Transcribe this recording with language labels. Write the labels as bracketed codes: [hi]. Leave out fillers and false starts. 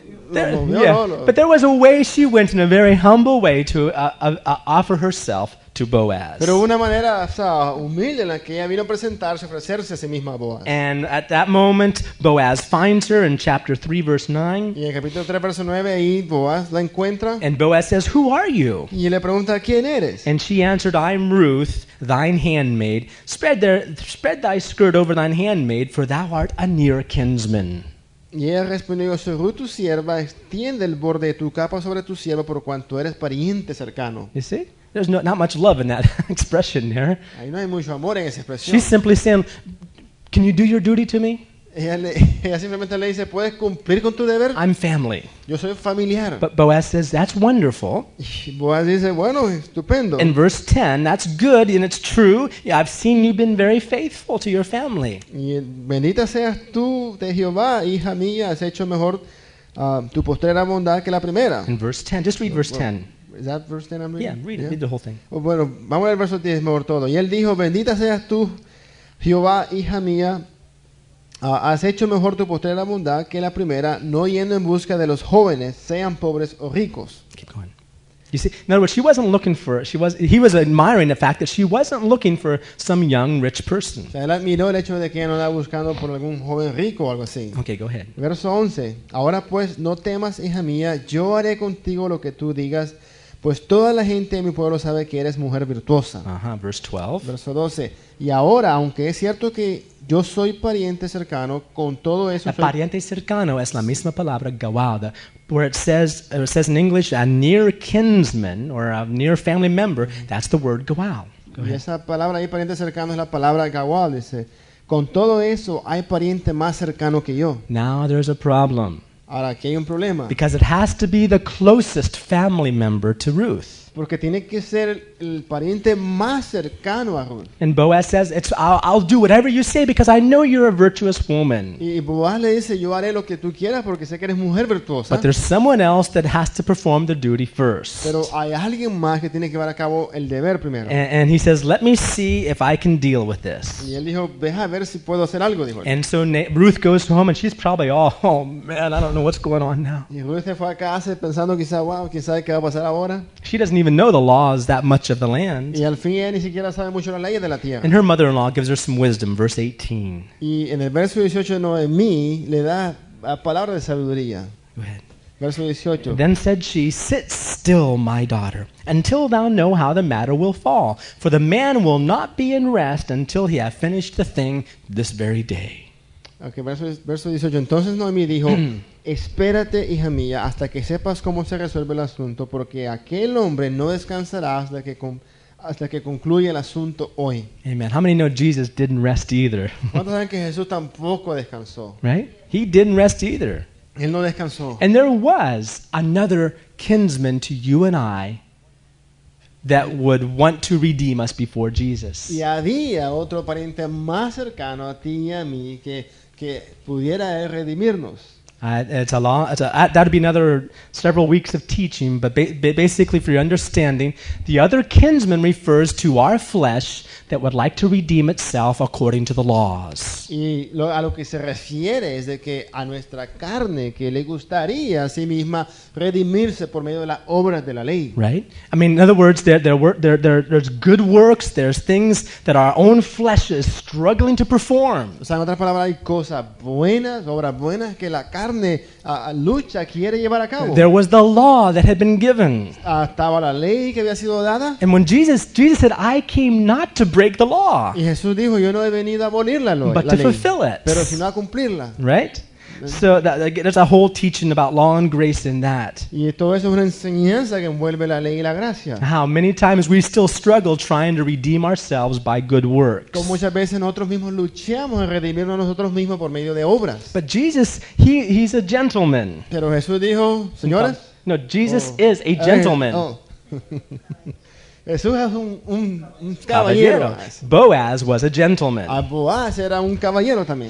[en] But there was a way she went in a very humble way to offer herself to Boaz. [es] Pero una manera, o sea, humilde en la que ella vino a presentarse, ofrecerse a sí misma a Boaz. [en] And at that moment, Boaz finds her in chapter 3, verse 9. [es] Y en capítulo 3, verso 9, ahí Boaz la encuentra. [en] And Boaz says, "Who are you?" [es] Y le pregunta, "¿Quién eres?" [en] And she answered, "I'm Ruth, thine handmaid. Spread thy skirt over thine handmaid, for thou art a near kinsman." [es] Y ella respondió, yo soy Ruth, tu sierva, extiende el borde de tu capa sobre tu sierva por cuanto eres pariente cercano. [en] You see? There's not much love in that expression there. [es] Ahí no hay mucho amor en esa expresión. [en] She's simply saying, can you do your duty to me? [es] Ella simplemente le dice, ¿puedes cumplir con tu deber? [en] I'm family. [es] Yo soy familiar. [en] But Boaz says, that's wonderful. [es] Boaz dice, bueno, estupendo. [en] In verse 10, that's good and it's true. Yeah, I've seen you've been very faithful to your family. [es] Y bendita seas tú de Jehová, hija mía, has hecho mejor tu postrera bondad que la primera. [en] In verse 10, just read verse 10. Is that verse 10 I'm reading? Yeah, read it, read the whole thing. [es] Well, bueno, vamos a leer el verso 10 mejor todo. Y él dijo, bendita seas tú, Jehová, hija mía, has hecho mejor tu postrera bondad que la primera, no yendo en busca de los jóvenes, sean pobres o ricos. [en] Keep going. You see, in other words, he was admiring the fact that she wasn't looking for some young, rich person. [es] O sea, él admiró el hecho de que ella no estaba buscando por algún joven rico o algo así. [en] Okay, go ahead. [es] Verso 11. Ahora pues, no temas, hija mía, yo haré contigo lo que tú digas, pues toda la gente de mi pueblo sabe que eres mujer virtuosa. [en] Uh-huh. Verse 12. [es] Verso 12. Y ahora, aunque es cierto que yo soy pariente cercano, con todo eso... La pariente cercano es la misma palabra, [en] gawada, where it says in English, a near kinsman, or a near family member, that's the word gawal. [es] Esa palabra ahí, pariente cercano, es la palabra gawal, dice. Con todo eso, hay pariente más cercano que yo. [en] Now there's a problem. [es] Ahora, aquí hay un problema. [en] Because it has to be the closest family member to Ruth. [es] Porque tiene que ser el pariente más cercano a Ruth. [en] And Boaz says, I'll do whatever you say because I know you're a virtuous woman. [es] Y Boaz le dice, yo haré lo que tú quieras porque sé que eres mujer virtuosa. [en] But there's someone else that has to perform the duty first. [es] Pero hay alguien más que tiene que llevar a cabo el deber primero. [en] And he says, let me see if I can deal with this. [es] Y él dijo, deja ver si puedo hacer algo, dijo él. [en] And so Ruth goes home and she's probably man, I don't know what's going on now. [es] Y Ruth se fue a casa pensando quizá, wow, quién sabe qué va a pasar ahora. [en] She doesn't even know the laws that much of the land. [es] Y al fin ni siquiera sabe mucho las leyes de la tierra. [en] And her mother-in-law gives her some wisdom, verse 18. [es] Y en el verso 18 Noemí le da la palabra de sabiduría. [en] Go ahead. [es] Verso 18. [en] Then said she, sit still, my daughter, until thou know how the matter will fall. For the man will not be in rest until he have finished the thing this very day. [es] Ok, verso 18. Entonces Noemí dijo, espérate, hija mía, hasta que sepas cómo se resuelve el asunto, porque aquel hombre no descansará hasta que concluya el asunto hoy. [en] Amen. How many know Jesus didn't rest either? [es] ¿Cuántos saben que Jesús tampoco descansó? [en] Right? He didn't rest either. [es] Él no descansó. [en] And there was another kinsman to you and I that would want to redeem us before Jesus. [es] Y había otro pariente más cercano a ti y a mí que pudiera redimirnos. [en] That'd be another several weeks of teaching, but basically for your understanding, the other kinsman refers to our flesh that would like to redeem itself according to the laws. [es] Y a lo que se refiere es de que a nuestra carne que le gustaría a sí misma redimirse por medio de las obras de la ley. [en] Right? I mean, in other words, there's good works, there's things that our own flesh is struggling to perform. [es] O sea, en otras palabras, hay cosas buenas, obras buenas que la carne lucha, quiere llevar a cabo. [en] There was the law that had been given. [es] Estaba la ley que había sido dada. [en] And when Jesus said, I came not to break the law, [es] y Jesús dijo, yo no he venido a abolir la ley, [en] but to fulfill it. [es] Pero sino a cumplirla. [en] Right? So there's a whole teaching about law and grace in that. [es] Y todo eso es una enseñanza que envuelve la ley y la gracia. [en] How many times we still struggle trying to redeem ourselves by good works. [es] Como muchas veces nosotros mismos luchamos en redimirnos nosotros mismos por medio de obras. [en] But Jesus, he's a gentleman. [es] Pero Jesús dijo, señores. [en] No, Jesus is a gentleman. [es] Jesús es un caballero. [en] Boaz was a gentleman. [es] A Boaz era un caballero también.